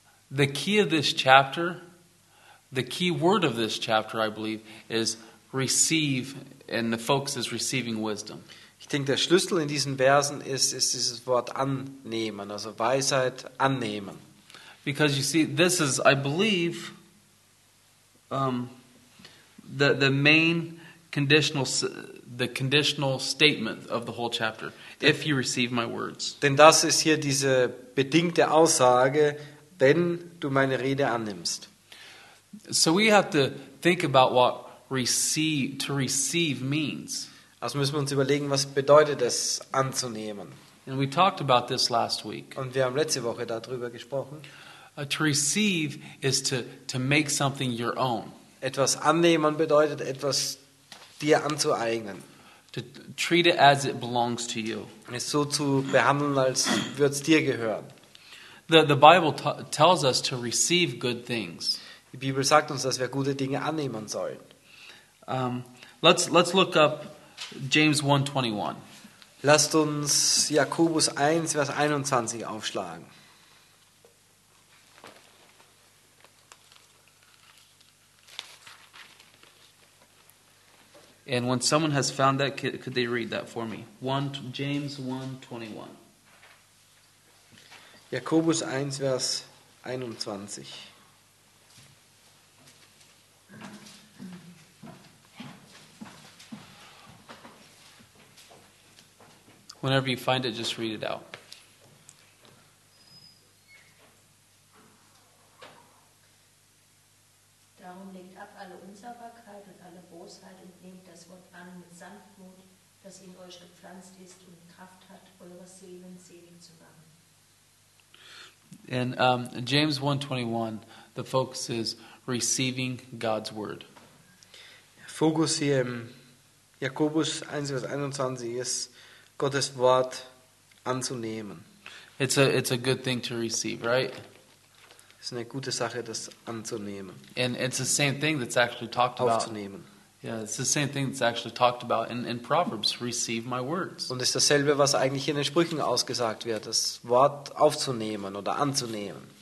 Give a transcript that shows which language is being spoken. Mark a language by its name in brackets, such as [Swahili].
[English] The key of this chapter, the key word of this chapter, I believe, is receive. And the focus is receiving wisdom. [German] Ich denke, der Schlüssel in diesen Versen ist dieses Wort annehmen, also Weisheit annehmen. [English] Because you see, this is, I believe, the main conditional statement of the whole chapter. If you receive my words. [German] Denn das ist hier diese bedingte Aussage, wenn du meine Rede annimmst. [English] So we have to think about what to receive means. [German] Also müssen wir uns überlegen, was bedeutet es anzunehmen. [English] And we talked about this last week. [German] Und wir haben letzte Woche darüber gesprochen. [English] To receive is to make something your own. [German] Etwas annehmen bedeutet etwas dir anzueignen. [English] To treat it as it belongs to you. [German] Es so zu behandeln, als würde es dir gehören. [English] The Bible tells us to receive good things. [German] Die Bibel sagt uns, dass wir gute Dinge annehmen sollen. [English] Let's look up James 1:21. [German] Lasst uns Jakobus 1, Vers 21 aufschlagen. [English] And when someone has found that, could they read that for me? James 1:21. [German] Jakobus 1, Vers 21. [English] Whenever you find it, just read it out. [German] Darum legt ab alle Unsauberkeit und alle Bosheit und nehmt das Wort an mit Sanftmut, das in euch gepflanzt ist und Kraft hat, eure Seelen selig zu machen. [English] And James 1:21, the focus is receiving God's word. [German] Fokus hier im Jakobus 1, Vers 21 ist Gottes Wort anzunehmen. [English] It's a good thing to receive, right? [German] Es ist eine gute Sache, das anzunehmen. [English] And it's the same thing that's actually talked about. [German] Aufzunehmen. [English] Yeah, it's the same thing that's actually talked about in Proverbs. Receive my words. [German] Und es ist dasselbe, was eigentlich in den Sprüchen ausgesagt wird, das Wort aufzunehmen oder anzunehmen.